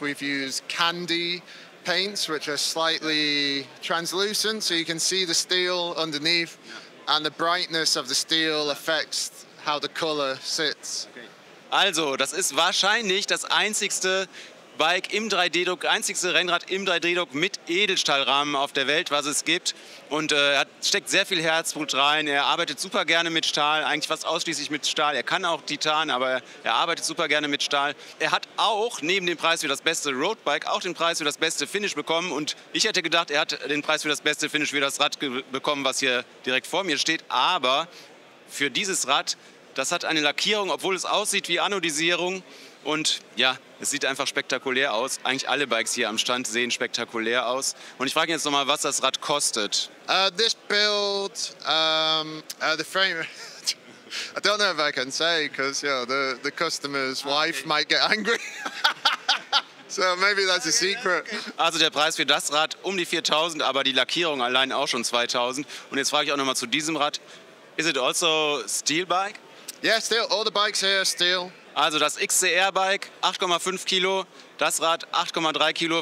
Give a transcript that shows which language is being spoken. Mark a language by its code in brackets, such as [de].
[en] We've used candy paints, which are slightly translucent, so you can see the steel underneath, yeah. And the brightness of the steel affects how the color sits. [de] Also, das ist wahrscheinlich das einzigste Bike im 3D-Druck, einzigste Rennrad im 3D-Druck mit Edelstahlrahmen auf der Welt, was es gibt. Und er steckt sehr viel Herzblut rein. Er arbeitet super gerne mit Stahl, eigentlich fast ausschließlich mit Stahl. Er kann auch Titan, aber er arbeitet super gerne mit Stahl. Er hat auch neben dem Preis für das beste Roadbike auch den Preis für das beste Finish bekommen. Und ich hätte gedacht, er hat den Preis für das beste Finish für das Rad bekommen, was hier direkt vor mir steht. Aber für dieses Rad, das hat eine Lackierung, obwohl es aussieht wie Anodisierung. Und ja, es sieht einfach spektakulär aus. Eigentlich alle Bikes hier am Stand sehen spektakulär aus. Und ich frage jetzt nochmal, was das Rad kostet. [en] This build, the frame, I don't know if I can say, because you know, the customer's wife might get angry. So maybe that's a secret. [de] Also der Preis für das Rad um die 4000, aber die Lackierung allein auch schon 2000. Und jetzt frage ich auch nochmal zu diesem Rad. [en] Is it also steel bike? Yeah, steel. All the bikes here are steel. [de] Also das XCR Bike 8,5 Kilo, das Rad 8,3 Kilo.